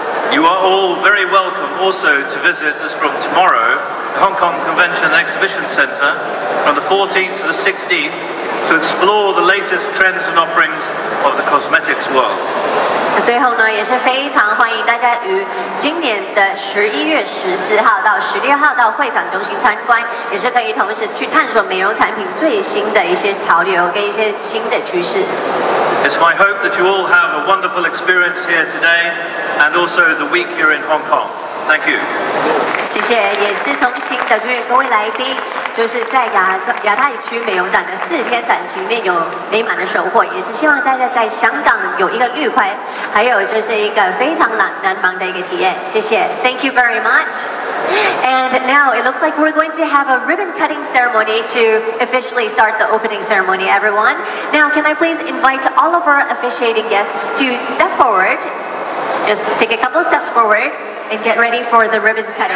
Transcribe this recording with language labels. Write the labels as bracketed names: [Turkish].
[English] You are all very welcome also to visit us from tomorrow, the Hong Kong Convention and Exhibition Center, from the 14th to the 16th, to explore the latest trends and offerings of the cosmetics world. [Chinese] 最后呢，也是非常欢迎大家于今年的11月14号到16号到会展中心参观，也是可以同时去探索美容产品最新的一些潮流跟一些新的趋势。 [English] It's my hope that you all have a wonderful experience here today and also the week here in Hong Kong. Thank you. [Chinese] 谢谢，也是衷心的祝愿各位来宾。就是在亚太区美容展的4天展期内有美满的收获，也是希望大家在香港有一个愉快，还有就是一个非常难忘的一个体验。谢谢 [English] ，Thank you very much. And now it looks like we're going to have a ribbon cutting ceremony to officially start the opening ceremony. Everyone, now can I please invite all of our officiating guests to step forward? Just take a couple steps forward and get ready for the ribbon cutting.